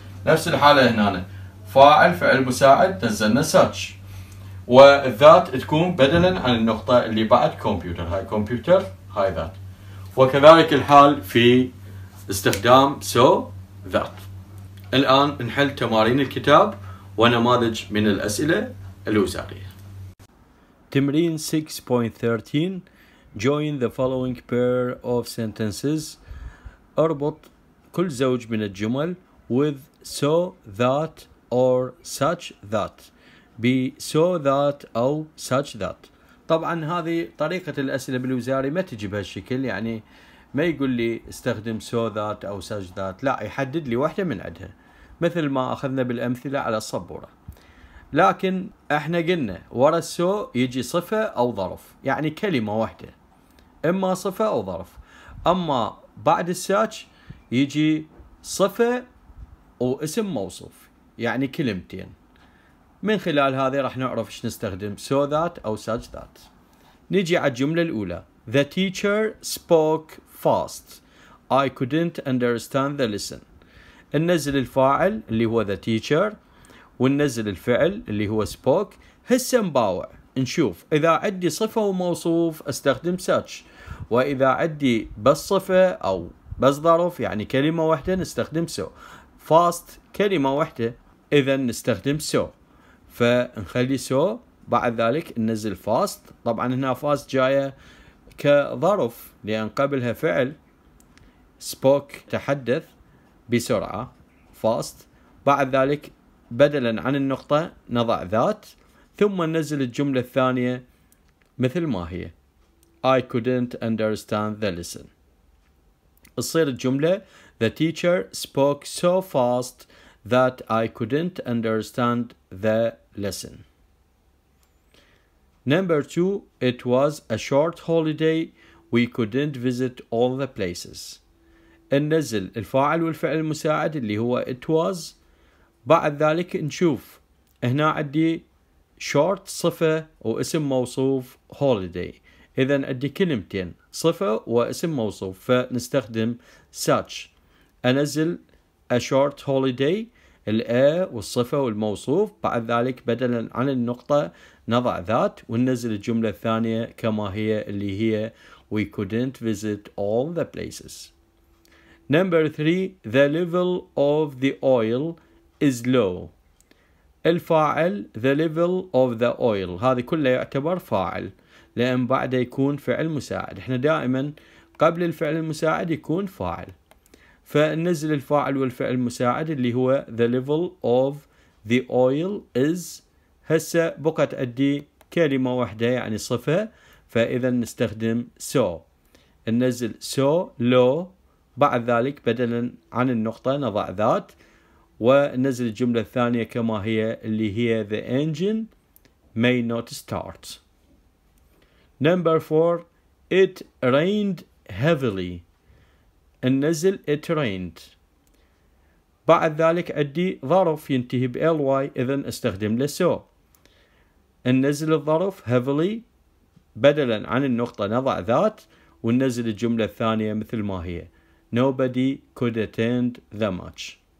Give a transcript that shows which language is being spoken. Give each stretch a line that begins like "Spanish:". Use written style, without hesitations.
Arabic: نفس الحالة هنا فاعل فعل مساعد نزلنا search، والذات تكون بدلا عن النقطة اللي بعد computer، هاي computer هاي ذات. وكذلك الحال في استخدام so that. الآن نحل تمارين الكتاب ونماذج من الأسئلة الوزارية. تمرين
English: 6.13 Join the following pair of sentences.
Arabic: اربط كل زوج من الجمل
English: with so that or such that. Be so that or such that.
Arabic: طبعا هذه طريقة الأسئلة بالوزاري ما تجيب هالشكل، يعني ما يقول لي استخدم so that أو such that، لا يحدد لي واحدة من عدها مثل ما أخذنا بالأمثلة على الصبورة. لكن احنا قلنا ورا السو يجي صفة أو ظرف، يعني كلمة واحدة إما صفة أو ظرف، أما بعد الساتش يجي صفة واسم موصوف يعني كلمتين. من خلال هذه راح نعرف ايش نستخدم so that أو such that. نجي على الجملة الأولى
English: The teacher spoke fast I couldn't understand the lesson.
Arabic: ننزل الفاعل اللي هو the teacher وننزل الفعل اللي هو spoke. هسه نباوع نشوف إذا عندي صفة وموصوف استخدم such، وإذا عندي بس صفة أو بس ظرف يعني كلمة واحدة نستخدم so. fast كلمة واحدة إذا نستخدم so، فنخلي so بعد ذلك ننزل fast. طبعا هنا fast جاية كظرف لأن قبلها فعل spoke تحدث بسرعة fast. بعد ذلك بدلا عن النقطة نضع ذات، ثم ننزل الجملة الثانية مثل ما هي
English: I couldn't understand the lesson.
Arabic: تصير الجملة
English: The teacher spoke so fast that I couldn't understand the lesson. Number two, it was a short holiday. We couldn't visit all the places.
Arabic: ننزل الفاعل والفعل المساعد اللي هو it was. بعد ذلك نشوف هنا عندي short صفة واسم موصوف holiday. إذا عندي كلمتين صفة واسم موصوف فنستخدم such. أنزل a short holiday الأ والصفة والموصوف، بعد ذلك بدلا عن النقطة نضع ذات، وننزل الجملة الثانية كما هي اللي هي
English: we couldn't visit all the places. Number three, the level of the oil is low.
Arabic: الفاعل the level of the oil هذه كلها يعتبر فاعل لأن بعده يكون فعل مساعد، احنا دائما قبل الفعل المساعد يكون فاعل، فننزل الفاعل والفعل المساعد اللي هو
English: the level of the oil is.
Arabic: هسه بقت أدي كلمة واحدة يعني صفة، فإذا نستخدم so. ننزل so low بعد ذلك بدلا عن النقطة نضع ذات، وننزل الجملة الثانية كما هي اللي هي
English: the engine may not start. Number four, it rained heavily.
Arabic: النزل it rained. بعد ذلك عندي ظرف ينتهي ب ly إذا استخدم له so. النزل الظرف heavily بدلا عن النقطة نضع ذات، وننزل الجملة الثانية مثل ما هي
English: nobody could attend the match.